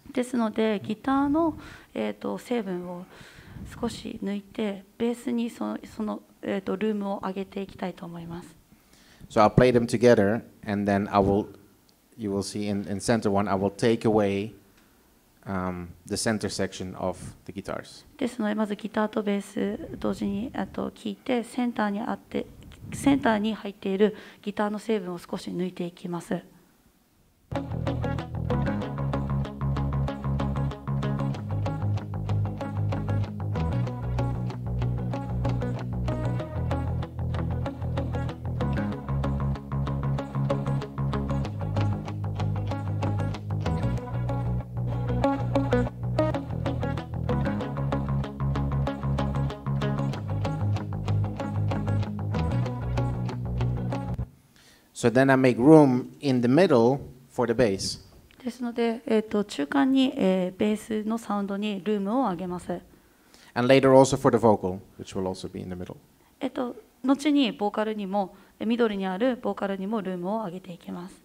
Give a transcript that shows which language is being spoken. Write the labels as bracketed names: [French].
[Japanese] ですので、ギターの、成分を少し抜いて、ベースにその、ルームを上げていきたいと思います。 [English] So I'll play them together and then you will see in center one, I will take away. The center section of the guitars. [Japanese] ですのでまずギターとベース同時にあと聞いてセンターにあってセンターに入っているギターの成分を少し抜いていきます。 [English] So then I make room in the middle for the bass. [Japanese] ですので、中間に、ベースのサウンドにルームを上げます。 [English] And later also for the vocal, which will also be in the middle. [Japanese] 後にボーカルにも、ミドルにあるボーカルにもルームを上げていきます。